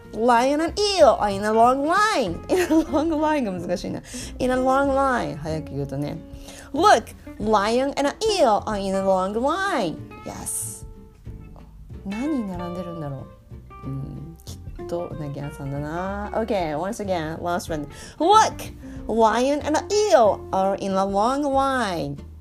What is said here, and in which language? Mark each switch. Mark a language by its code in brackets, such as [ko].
[en] Lion and eel are in a long line. In a long line [ja] が難しいな。 [en] In a long line. [ja] 早く言うとね。 [en] Look! Lion and an eel are in a long line. Yes. [ja] 何に並んでるんだろう、きっとうなぎ屋さんだな。 [en] Okay, once again, last one. Look! Lion and an eel are in a long line.